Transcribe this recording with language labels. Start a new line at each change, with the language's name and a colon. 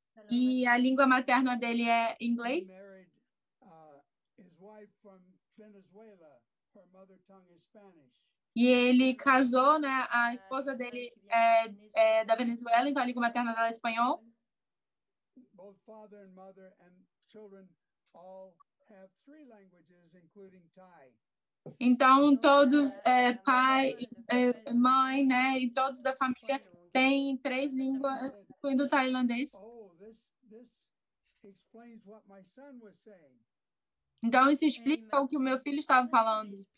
Portuguese: E a língua materna dele é inglês.
English: He married, his wife from Venezuela. Her mother tongue is Spanish.
Portuguese: E ele casou, né, a esposa dele é da Venezuela, então a língua materna dela é espanhol.
English: Both father and mother and children all have three languages, including Thai.
Portuguese: Então, todos, pai, mãe, né, e todos da família têm três línguas, incluindo o tailandês.
English: Oh, this explains what my son was saying.
Portuguese: Então isso explica o que o meu filho estava falando.